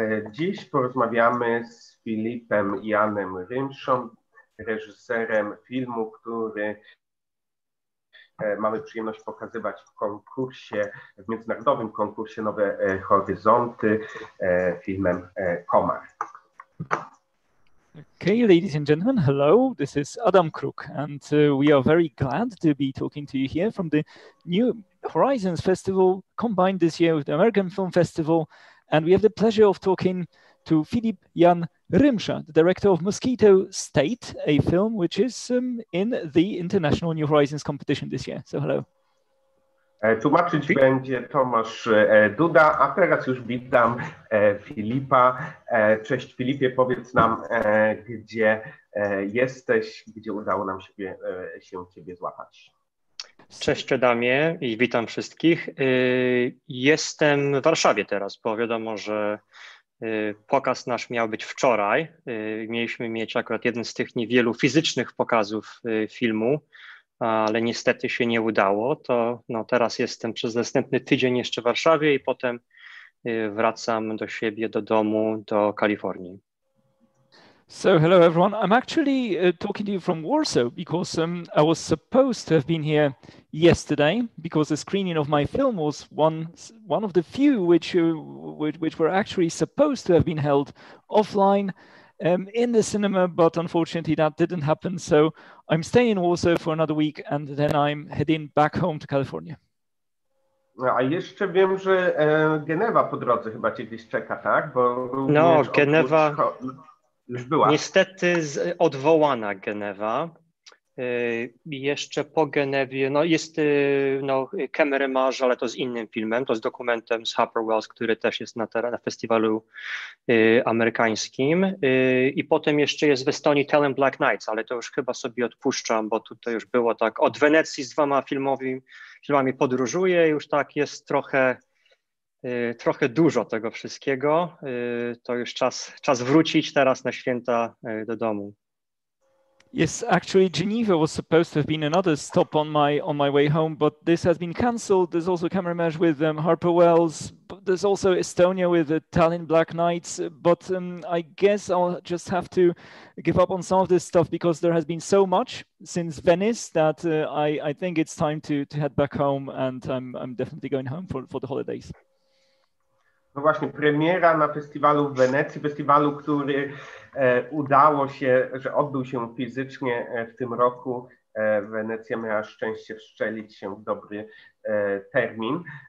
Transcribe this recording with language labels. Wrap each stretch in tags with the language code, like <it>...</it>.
<pl>Dziś porozmawiamy z Filipem Janem Rymszą, reżyserem filmu, który mamy przyjemność pokazywać w konkursie, w międzynarodowym konkursie Nowe Horyzonty, filmem Komar.</pl> <en>Okay, ladies and gentlemen, hello, this is Adam Kruk, and we are very glad to be talking to you here from the New Horizons Festival, combined this year with the American Film Festival, and we have the pleasure of talking to Filip Jan Rymsza, the director of Mosquito State, a film which is in the International New Horizons competition this year. So, hello.</en> <pl>Tłumaczyć będzie Tomasz Duda, a teraz już witam Filipa. Cześć Filipie, powiedz nam, gdzie jesteś, gdzie udało nam się ciebie złapać. Cześć Adamie i witam wszystkich. Jestem w Warszawie teraz, bo wiadomo, że pokaz nasz miał być wczoraj. Mieliśmy mieć akurat jeden z tych niewielu fizycznych pokazów filmu, ale niestety się nie udało, to no, teraz jestem przez następny tydzień jeszcze w Warszawie i potem wracam do siebie, do domu, do Kalifornii.</pl> <en>So hello everyone, I'm actually talking to you from Warsaw because I was supposed to have been here yesterday because the screening of my film was one of the few which were actually supposed to have been held offline in the cinema, but unfortunately that didn't happen. So I'm staying in Warsaw for another week and then I'm heading back home to California.</en> <pl>A jeszcze wiem, że Genewa po drodze chyba cię gdzieś czeka, tak? Bo no, Genewa już była. Niestety odwołana Genewa. Jeszcze po Genewie, no jest no, Kemerymarz, ale to z innym filmem, to z dokumentem z Harper Wells, który też jest na festiwalu amerykańskim. I potem jeszcze jest w Estonii Tell and Black Nights, ale to już chyba sobie odpuszczam, bo tutaj już było tak, od Wenecji z dwoma filmami podróżuję, już tak jest trochę dużo tego wszystkiego. To już czas wrócić teraz na święta do domu.</pl> <en>Yes, actually, Geneva was supposed to have been another stop on my way home, but this has been cancelled. There's also Kemerymarz with Harper Wells. But there's also Estonia with the Tallinn Black Knights. But I guess I'll just have to give up on some of this stuff because there has been so much since Venice that I think it's time to head back home, and I'm definitely going home for the holidays.</en> <pl>No właśnie, premiera na festiwalu w Wenecji, festiwalu, który udało się, że odbył się fizycznie w tym roku. Wenecja miała szczęście wstrzelić się w dobry termin.</pl>